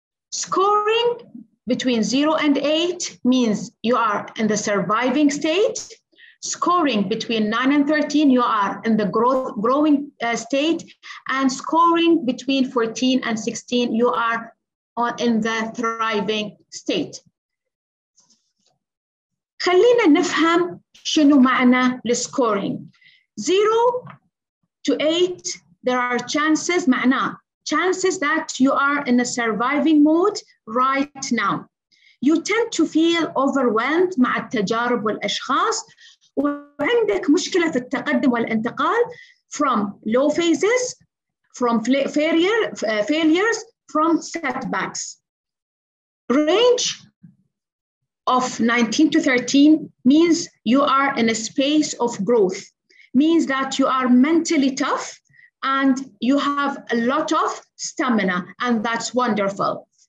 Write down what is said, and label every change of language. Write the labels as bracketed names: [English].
[English] Scoring between 0 and 8 means you are in the surviving state. scoring between 9 and 13, you are in the growing state, and scoring between 14 and 16, you are in the thriving state. [Arabic] خلينا نفهم شنو معنى السكورينج. [English] 0 to 8, there are chances, معنى chances that you are in a surviving mode right now. You tend to feel overwhelmed [Arabic] مع التجارب والأشخاص وعندك مشكلة في التقدم والانتقال [English] from low phases, from failures, from setbacks. Range of 19 to 13 means you are in a space of growth, means that you are mentally tough and you have a lot of stamina, and that's wonderful.